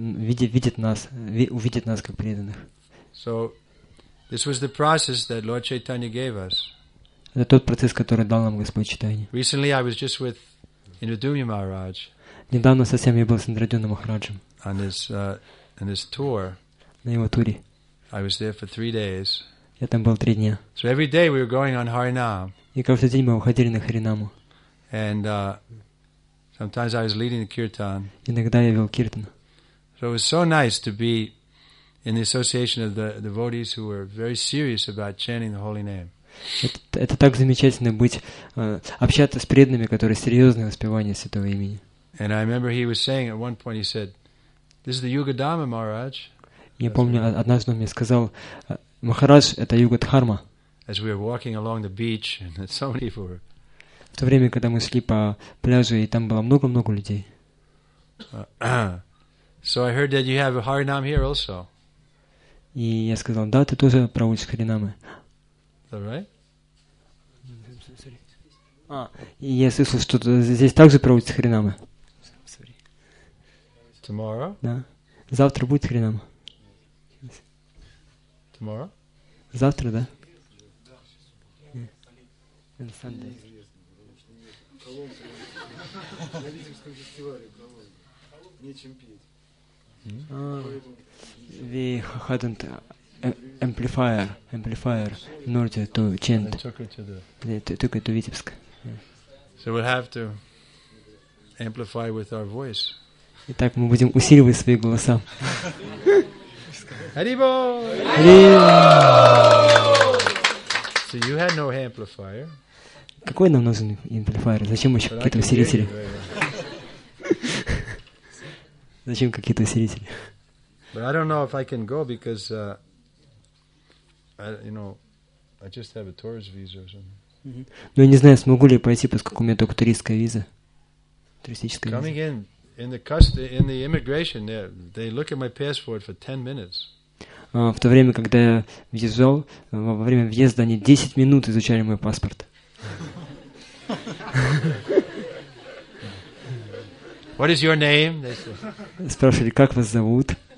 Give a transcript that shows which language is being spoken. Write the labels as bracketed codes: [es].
[ru] Увидит нас как преданных. [en] So, this was the process that Lord Chaitanya gave us. [ru] Это тот процесс, который дал нам Господь Чайтанья. [en] Recently I was just with Indradyumna Maharaj. [ru] Недавно совсем я был с Индрадюмной Махараджем. [en] On his tour. [ru] На его туре. [en] I was there for 3 days. [ru] Я там был 3 дня. [en] So every day we were going on Harinam. [ru] И каждый день мы уходили на Харинаму. [en] And sometimes I was leading the kirtan. [ru] Иногда я вел киртан. [en] So it was so nice to be in the association of the devotees who were very serious about chanting the holy name. [ru] Это так замечательно быть, общаться с преданными, которые серьезны в воспевании святого имени. [en] And I remember he was saying at one point, he said, "This is the Yuga Dharma, Maharaj." [ru] Я помню, однажды он мне сказал, Махарадж, это Юга Дхарма. [en] As we were walking along the beach, and so many people were. [ru] В то время, когда мы шли по пляжу, и там было много-много людей. [en] So I heard that you have a Харинам here also. [ru] И я сказал, да, ты тоже проводишь Харинамы. [en] Right? [ru] И я слышал, что здесь также проводится Харинама. [en] Tomorrow? [ru] Да. Завтра будет Харинама. [en] Tomorrow? [ru] Завтра, да. [en] The hadn't amplifier in order to chant. They took it to Vitebsk. So we'll have to amplify with our voice. [ru] Итак, мы будем усиливать свои голоса. [en] Haribo! So you had no amplifier. [ru] Какой нам нужен амплифайер? Зачем еще какие-то усилители? Зачем какие-то усилители? [en] But I don't know if I can go because I just have a tourist visa or something. [ru] Но я не знаю, смогу ли пойти, поскольку у меня только туристская виза. Туристическая виза. [en] Coming in the immigration, they look at my passport for 10 minutes. [ru] в то время, когда я въезжал, во время въезда они 10 минут изучали мой паспорт. [en] What is your name? [ru] Спрашивали, как вас зовут?